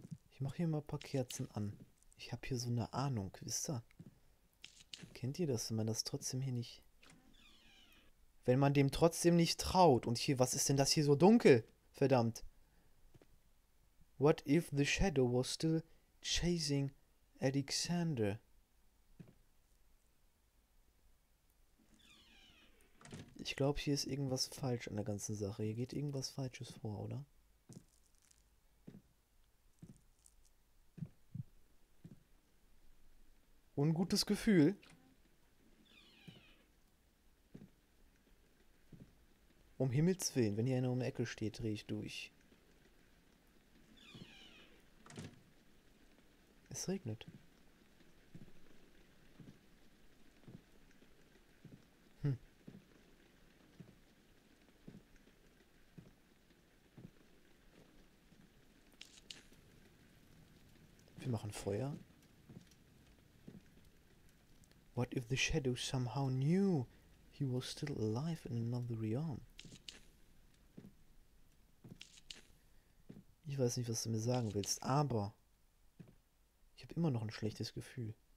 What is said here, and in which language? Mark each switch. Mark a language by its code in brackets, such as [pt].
[de] Ich mache hier mal ein paar Kerzen an. Ich habe hier so eine Ahnung, wisst ihr? Kennt ihr das, wenn man das trotzdem hier nicht... Wenn man dem trotzdem nicht traut. Und hier, was ist denn das hier so dunkel? Verdammt. [en] What if the shadow was still chasing Alexander? [de] Ich glaube, hier ist irgendwas falsch an der ganzen Sache. Hier geht irgendwas Falsches vor, oder? Ungutes Gefühl. Um Himmels Willen, wenn hier einer um die Ecke steht, drehe ich durch. Es regnet. Wir machen Feuer. [en] What if the shadow somehow knew he was still alive in another realm? [de] Ich weiß nicht, was du mir sagen willst, aber ich habe immer noch ein schlechtes Gefühl.